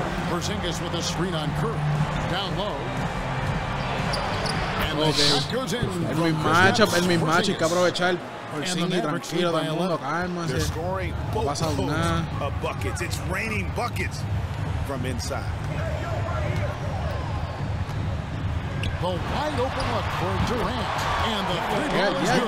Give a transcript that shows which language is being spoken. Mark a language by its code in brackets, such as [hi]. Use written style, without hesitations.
[en] Porzingis with a screen on Curry. Down low. And okay. The shot goes in. [es] El mismo matchup, hay que aprovechar el Porzingis, tranquilo, todo el mundo, cálmase. No pasa nada. [en] It's raining buckets from inside. The wide open look for Durant. And the three ball is good.